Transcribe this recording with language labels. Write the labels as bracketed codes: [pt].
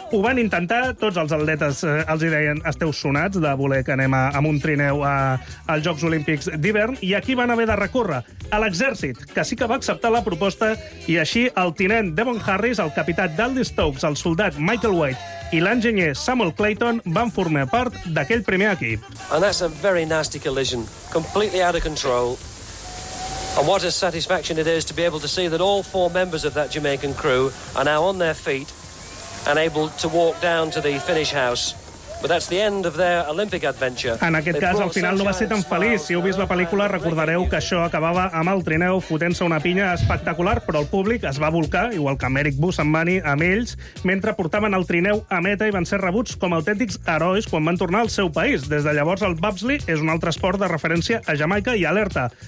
[ca] Ho van intentar, tots els atletes els deien, esteu sonats de voler que anem amb un trineu als Jocs Olímpics d'hivern, i aquí van haver de recórrer a l'exèrcit, que sí que va acceptar la proposta, i així el tinent Devon Harris, el capità d'Aldi Stokes, el soldat Michael White i l'enginyer Samuel Clayton van formar part d'aquell primer equip. [en] And that's a very nasty collision, completely out of control. And what a satisfaction it is to be able to see that all four members of that Jamaican crew are now on their feet and able to walk down to the finish house. But that's the end of their Olympic adventure. [ca] En aquest cas, al final no va ser tan feliç. Si heu vist la pel·lícula, recordareu que això acabava amb el trineu fotent-se una pinya espectacular, però el públic es va volcar, igual que Eric Bussamani, amb ells, mentre portaven el trineu a meta i van ser rebuts com autèntics herois quan van tornar al seu país. Des de llavors, el bobsleigh és un altre esport de referència a Jamaica i alerta.